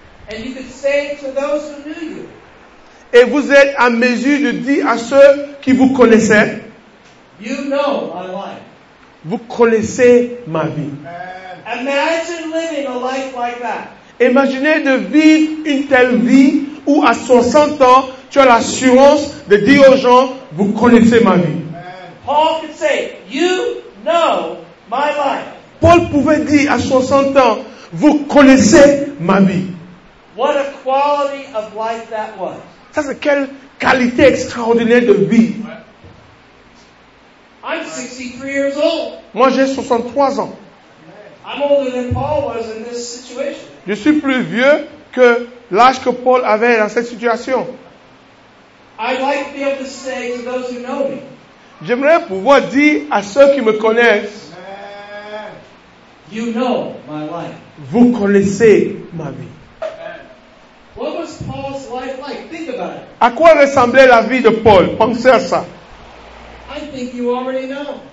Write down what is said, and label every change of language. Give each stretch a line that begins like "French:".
English: And you could say to those who knew you,
French: et vous êtes à mesure de dire à ceux qui vous connaissaient,
English: you know my life.
French: Vous connaissez ma vie.
English: Imagine living a life like that.
French: Imaginez de vivre une telle vie où à 60 ans, tu as l'assurance de dire aux gens, vous connaissez ma vie.
English: Paul could say, you know my life.
French: Paul pouvait dire à 60 ans, vous connaissez ma vie.
English: What a quality of life that was.
French: Ça, c'est quelle qualité extraordinaire de vie.
English: I'm 63 years old.
French: Moi, j'ai 63 ans.
English: I'm older than Paul was in this situation.
French: Je suis plus vieux que l'âge que Paul avait dans cette situation.
English: I'd like to be able to say to those who know me.
French: J'aimerais pouvoir dire à ceux qui me connaissent,
English: you know my life.
French: Vous connaissez ma vie.
English: What was Paul's life like? Think about it.
French: À quoi ressemblait la vie de Paul? Pensez à ça.
English: I think you already know.